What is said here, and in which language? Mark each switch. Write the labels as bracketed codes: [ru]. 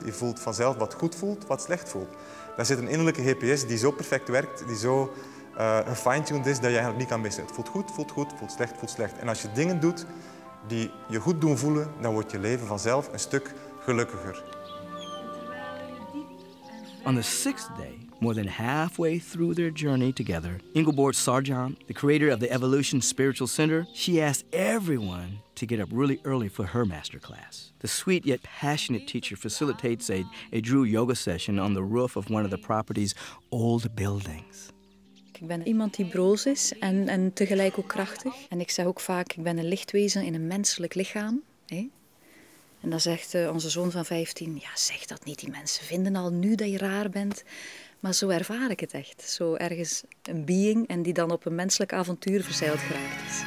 [nl] Je voelt vanzelf wat goed voelt, wat slecht voelt. Daar zit een innerlijke GPS die zo perfect werkt, die zo gefine-tuned is dat je eigenlijk niet kan missen. Het voelt goed, voelt slecht. En als je dingen doet die je goed doen voelen, dan wordt je leven vanzelf een stuk gelukkiger. [en] On the sixth day, more than halfway through their journey together, Ingeborg Sarjan, the creator of the Evolution Spiritual Center, she asked everyone to get up really early for her masterclass. The sweet yet passionate teacher facilitates a Drew yoga session on the roof of one of the property's old buildings. [nl] Ik ben iemand die broos is en tegelijk ook krachtig. En ik zeg ook vaak, ik ben een lichtwezen in een menselijk lichaam. Hè? En dan zegt onze zoon van 15, ja, zeg dat niet. Die mensen vinden al nu dat je raar bent. Maar zo ervaar ik het echt. Zo ergens een being en die dan op een menselijk avontuur verzeild geraakt is.